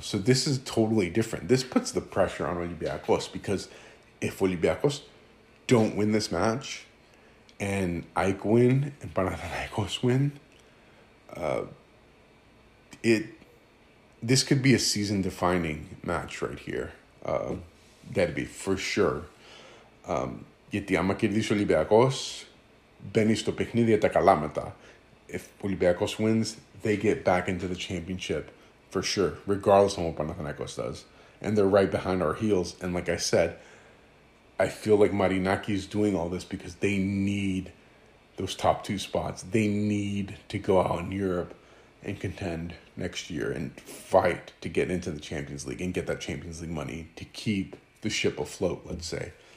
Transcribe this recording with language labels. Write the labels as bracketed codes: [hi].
[en] So this is totally different. This puts the pressure on Olympiacos, because if Olympiacos don't win this match, and AEK win, and Panathinaikos win, this could be a season-defining match right here. That'd be for sure. [el] Γιατί άμα κερδίσει ο Ολυμπιακός, μπαίνει στο παιχνίδι για τα καλά μετά. [en] If Olympiacos wins, they get back into the championship for sure, regardless of what Panathinaikos does. And they're right behind our heels. And like I said, I feel like Marinaki is doing all this because they need those top two spots. They need to go out in Europe and contend next year and fight to get into the Champions League and get that Champions League money to keep the ship afloat, let's say.